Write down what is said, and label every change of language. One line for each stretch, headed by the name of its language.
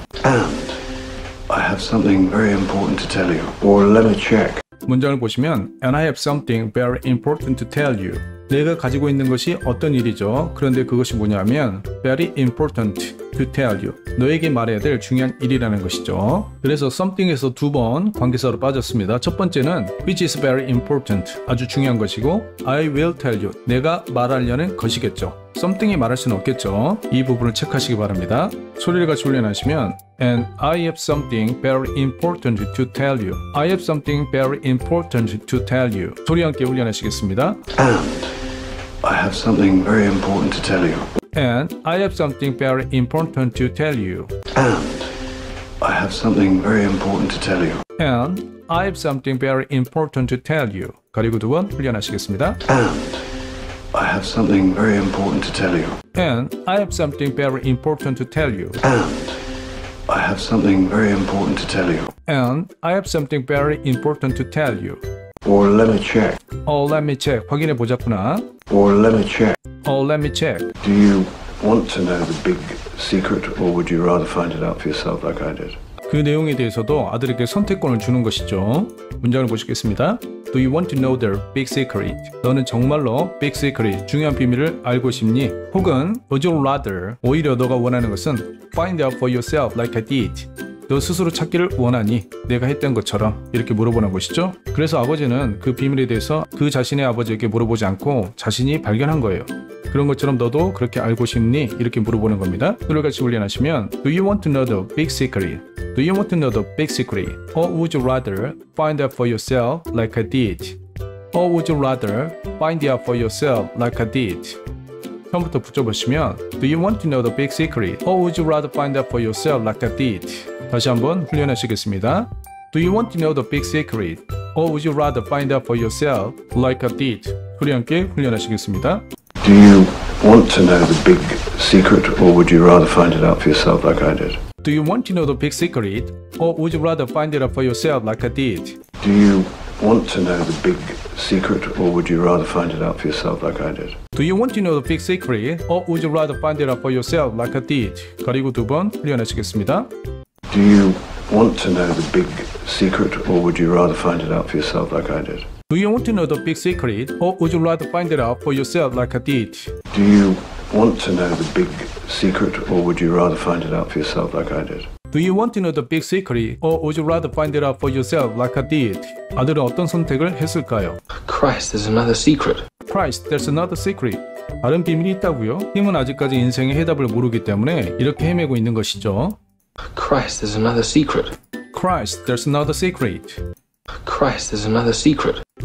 English: And I have something very important to tell you. Or let me check.
Korean: 문장을 보시면
English: And I have something very important to tell you.
Korean: 내가 가지고 있는 것이 어떤 일이죠. 그런데 그것이 뭐냐면
English: Very important to tell you.
Korean: 너에게 말해야 될 중요한 일이라는 것이죠. 그래서 something에서 두 번 관계사로 빠졌습니다. 첫 번째는
English: Which is very important.
Korean: 아주 중요한 것이고
English: I will tell you.
Korean: 내가 말하려는 것이겠죠. Something이 말할 수는 없겠죠. 이 부분을 체크하시기 바랍니다. 소리를 같이 훈련하시면
English: And I have something very important to tell you. I have something very important to tell you.
Korean: 소리 함께 훈련하시겠습니다.
English: And I have something very important to tell you. And I have something very important to tell you. And I have something very important to tell you. And I have something very important to tell you.
Korean: 그리고 두 번 훈련하시겠습니다.
English: And I I have something very important to tell you. And I have something very important to tell you. And I have something very important to tell you. And I have something very important to tell you. Or let me check. Oh, let me check.
Korean: 확인해 보자꾸나.
English: Or let me check. Oh, let me check. Do you want to know the big secret or would you rather find it out for yourself like I did?
Korean: 그 내용에 대해서도 아들에게 선택권을 주는 것이죠. 문장을 보시겠습니다.
English: Do you want to know their big secret?
Korean: 너는 정말로 big secret, 중요한 비밀을 알고 싶니?
English: 혹은 would you rather,
Korean: 오히려 너가 원하는 것은
English: find out for yourself like I did.
Korean: 너 스스로 찾기를 원하니? 내가 했던 것처럼 이렇게 물어보는 것이죠. 그래서 아버지는 그 비밀에 대해서 그 자신의 아버지에게 물어보지 않고 자신이 발견한 거예요. 그런 것처럼 너도 그렇게 알고 싶니? 이렇게 물어보는 겁니다. 노래 같이 훈련하시면
English: Do you want to know the big secret? Do you want to know the big secret? Or would you rather find out for yourself like I did? Or would you rather find out for yourself like I did?
Korean: 처음부터 붙여보시면
English: Do you want to know the big secret? Or would you rather find out for yourself like I did?
Korean: 다시 한번 훈련하시겠습니다.
English: Do you want to know the big secret? Or would you rather find out for yourself like I did?
Korean: 소리 함께 훈련하시겠습니다.
English: Do you want to know the big secret or would you rather find it out for yourself like I did? Do you want to know the big secret or would you rather find it out for yourself like I did? Do you want to know the big secret or would you rather find it out for yourself like I did? Do you want to know the big secret or would you rather find it out for yourself like I did?
Korean: 그리고 두 번 훈련하시겠습니다.
English: Do you want to know the big secret or would you rather find it out for yourself like I did? Do you want to know the big secret or would you rather find it out for yourself like I did? Do you want to know the big secret or would you rather find it out for yourself like I did? Do you want to know the big secret or would you rather find it out for yourself like I did?
Korean: 아들은 어떤 선택을 했을까요?
English: Christ, there's another secret. Christ, there's another secret.
Korean: 다른 비밀이 있다고요? 팀은 아직까지 인생의 해답을 모르기 때문에 이렇게 헤매고 있는 것이죠.
English: Christ, there's another secret. Christ, there's another secret. Christ, there's another secret.